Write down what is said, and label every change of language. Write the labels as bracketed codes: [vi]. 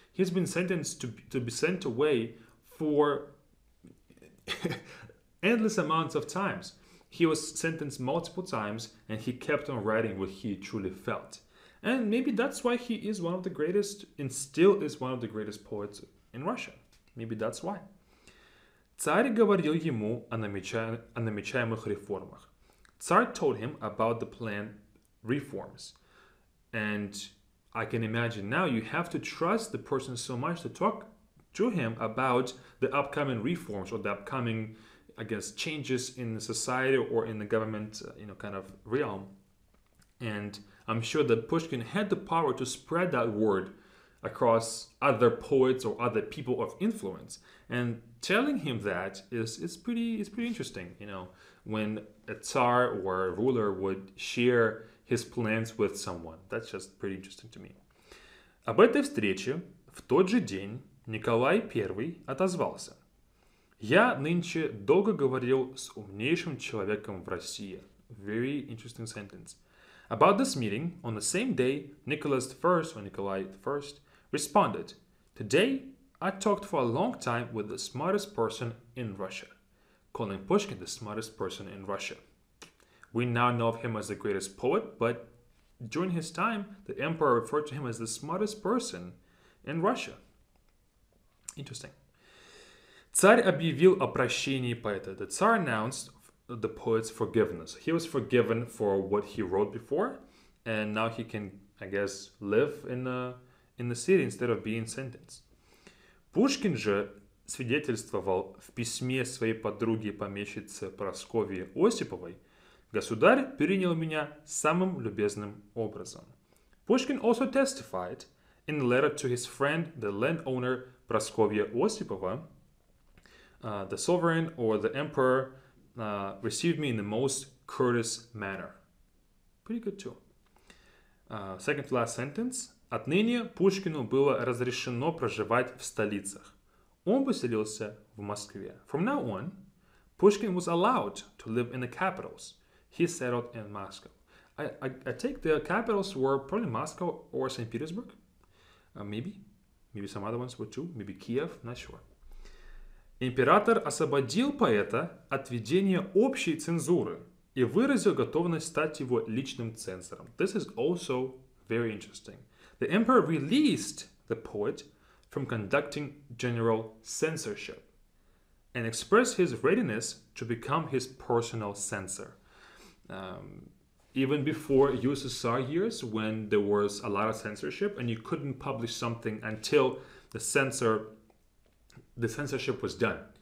[en] He's been sentenced to be sent away for endless amounts of times. He was sentenced multiple times and he kept on writing what he truly felt. And maybe that's why he is one of the greatest, and still is one of the greatest poets in Russia. Maybe that's why. [ru] Царь говорил ему о намечаемых реформах. [en] Царь told him about the planned reforms. And I can imagine now, you have to trust the person so much to talk to him about the upcoming reforms or the upcoming, I guess, changes in the society or in the government, you know, kind of realm. And I'm sure that Pushkin had the power to spread that word across other poets or other people of influence. And telling him that is pretty interesting, you know, when a tsar or a ruler would share his plans with someone. That's just pretty interesting to me. [ru] Об этой встрече в тот же день Николай I отозвался. Я нынче долго говорил с умнейшим человеком в России. [en] Very interesting sentence. About this meeting, on the same day, Nicholas I responded, today I talked for a long time with the smartest person in Russia, calling Pushkin the smartest person in Russia. We now know of him as the greatest poet, but during his time, the emperor referred to him as the smartest person in Russia. Interesting. [ru] Царь объявил о прощении поэта. [en] The Tsar announced the poet's forgiveness. He was forgiven for what he wrote before, and now he can, I guess, live in the city instead of being sentenced. [ru] Пушкин же свидетельствовал в письме своей подруге помещице Прасковье Осиповой, «Государь принял меня самым любезным образом». [en] Пушкин also testified in a letter to his friend, the landowner Прасковья Осипова, «The sovereign or the emperor received me in the most courteous manner». Pretty good too. Second to last sentence. [ru] Отныне Пушкину было разрешено проживать в столицах. Он поселился в Москве. [en] From now on, Pushkin was allowed to live in the capitals. He settled in Moscow. I take the capitals were probably Moscow or St. Petersburg. Maybe some other ones were too. Maybe Kiev, not sure. [ru] Император освободил поэта от ведения общей цензуры и выразил готовность стать его личным цензором. [en] This is also very interesting. The emperor released the poet from conducting general censorship and expressed his readiness to become his personal censor. Even before USSR years, when there was a lot of censorship and you couldn't publish something until the censorship was done.